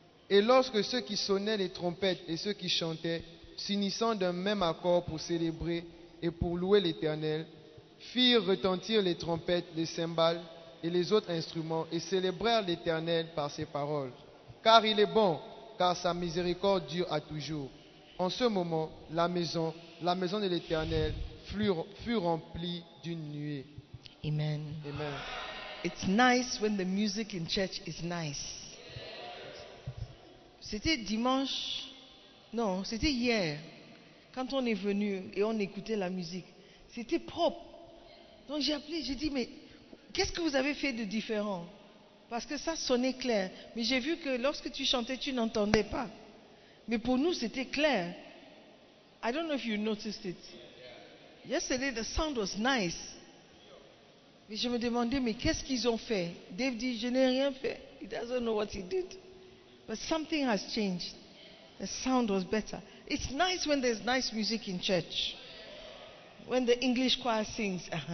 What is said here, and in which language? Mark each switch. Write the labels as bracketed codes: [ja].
[fr] Et lorsque ceux qui sonnaient les trompettes et ceux qui chantaient, s'unissant d'un même accord pour célébrer et pour louer l'Éternel, firent retentir les trompettes, les cymbales et les autres instruments et célébrèrent l'Éternel par ses paroles. Car il est bon, car sa miséricorde dure à toujours. En ce moment, la maison de l'Éternel, fut rempli d'une nuée. Amen. Amen. [en] It's nice when the music in church is nice. [fr] C'était dimanche, non, c'était hier, quand on est venu et on écoutait la musique. C'était propre. Donc j'ai appelé, j'ai dit, mais qu'est-ce que vous avez fait de différent? Parce que ça sonnait clair. Mais j'ai vu que lorsque tu chantais, tu n'entendais pas. Mais pour nous, c'était clair. [en] I don't know if you noticed it. Yesterday, the sound was nice. [fr] Mais je me demandais, mais qu'est-ce qu'ils ont fait? Dave dit, je n'ai rien fait. [en] He doesn't know what he did. But something has changed. The sound was better. It's nice when there's nice music in church. When the English choir sings.